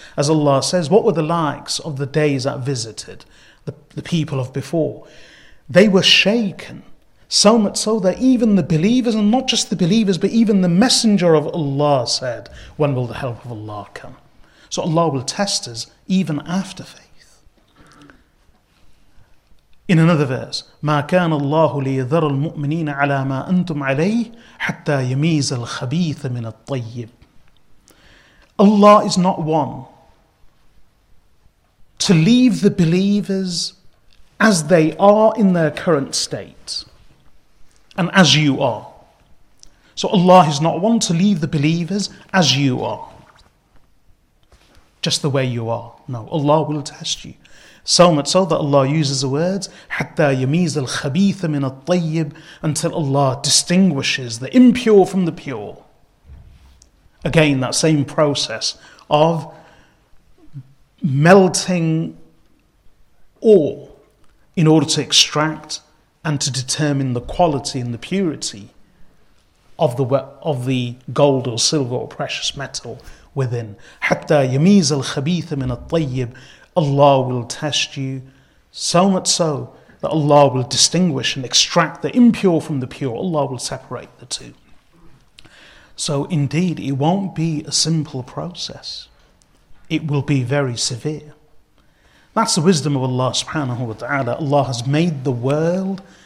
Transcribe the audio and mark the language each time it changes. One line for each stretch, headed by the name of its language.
English: As Allah says, what were the likes of the days that visited the people of before? They were shaken. So much so that even the believers, and not just the believers, but even the messenger of Allah said, when will the help of Allah come? So Allah will test us even after faith. In another verse,
Arabic: مَا كَانَ اللَّهُ لِيَذَرَ الْمُؤْمِنِينَ عَلَى مَا أَنْتُمْ عَلَيْهِ حَتَّى يَمِيزَ الْخَبِيثَ مِنَ الطَّيِّبِ.
English: Allah is not one to leave the believers as they are in their current state. And as you are. So Allah is not one to leave the believers as you are. Just the way you are. No, Allah will test you. So much so that Allah uses the words,
Arabic: حَتَّى يَمِيزَ الْخَبِيثَ مِنَ الطَّيِّبِ,
English: until Allah distinguishes the impure from the pure. Again, that same process of melting ore in order to extract and to determine the quality and the purity of the gold or silver or precious metal within.
Arabic: حتى يميز الخبيث من الطيب.
English: Allah will test you so much so that Allah will distinguish and extract the impure from the pure. Allah will separate the two. So indeed, it won't be a simple process. It will be very severe. That's the wisdom of Allah subhanahu wa ta'ala. Allah has made the world